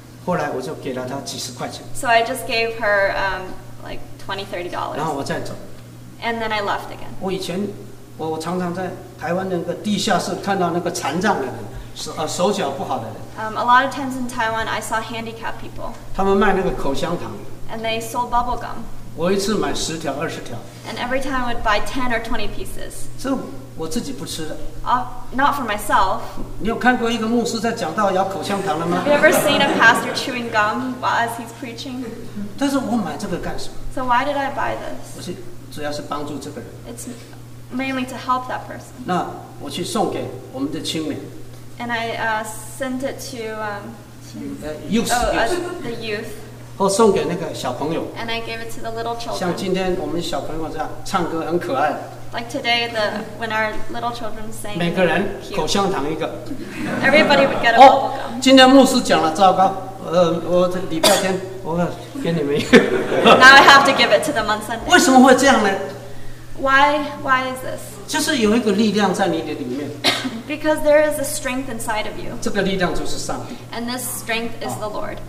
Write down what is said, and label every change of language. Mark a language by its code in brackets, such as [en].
[zh] 后来我就给了他几十块钱。 [en] So I just gave her like $20-$30. [zh] 然后我再走。 [en] And then I left again. [zh] 我以前我常常在台湾那个地下室看到那个残障的人，手脚不好的人。 [en] A lot of times in Taiwan, I saw handicapped people. [zh] 他们卖那个口香糖。 [en] And they sold bubble gum. [zh] 我一次买十条、二十条。 [en] And every time I would buy 10 or 20 pieces. [zh] 这我自己不吃的。 [en] Not for myself. [zh] 你有看过一个牧师在讲道咬口香糖了吗 [en] ？Have you ever seen a pastor chewing gum as he's preaching? [zh] 但是我买这个干什么 [en] ？So why did I buy this? [zh] 我是主要是帮助这个人。 [en] It's mainly to help that person. [zh] 那我去送给我们的青年。 [en] And I sent it to the youth. [zh] 或送给那个小朋友。 [en] And I gave it to the little children. [zh] 像今天我们小朋友这样唱歌很可爱。 [en] Like today, when our little children sang. [zh] 每个人口香糖一个。 [en] Everybody would get a bubble gum. [zh] 今天牧师讲了，糟糕，我礼拜天我给你们一个。 [en] Now I have to give it to them on Sunday. [zh] 为什么会这样呢 [en] ？Why is this? [zh] 就是有一个力量在你的里面。 [en] Because there is a strength inside of you. [zh] 这个力量就是上帝。 [en] And this strength is the Lord.